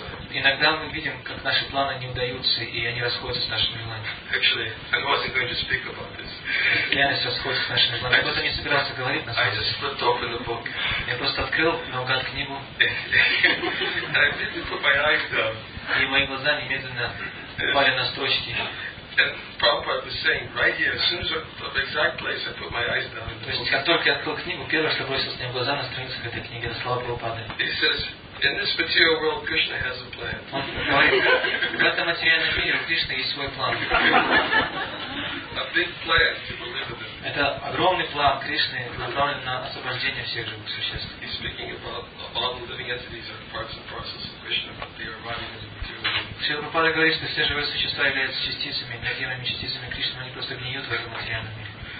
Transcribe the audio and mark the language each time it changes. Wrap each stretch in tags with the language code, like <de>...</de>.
<ru>Иногда мы видим, как наши планы не удаются, и они расходятся с нашими желаниями.</ru> <en>Actually, I wasn't going to speak about this.</en> <ru>Реальность расходится с нашими планами. Я просто не собирался говорить на самом деле.</ru> <en>I just flipped open the book.</en> <ru>Я просто открыл наугад книгу.</ru> <en>I didn't put my eyes down.</en> <ru>И мои глаза немедленно упали на строчки.</ru> <en>And Prabhupada was saying, right here, as soon as the exact place I put my eyes down.</en> <ru>То есть, как только я открыл книгу, первое, что бросилось мне в глаза на странице этой книги, это слова Прабхупады.</ru> <en>He says, in this material world, Krishna has a plan.</en> <ru>В этом материальном мире у Кришны есть свой план.</ru> <en>A big plan to deliver them.</en> <ru>Это огромный план Кришны, направлен на освобождение всех живых существ.</ru> <en>He's speaking about all the living entities are parts and process of Krishna, but they are running into material.</en> <ru>Шрила Прабхупада говорит, что все живые существа являются частицами, энергийными частицами Кришны, но они просто гниют в этом материальном мире.</ru>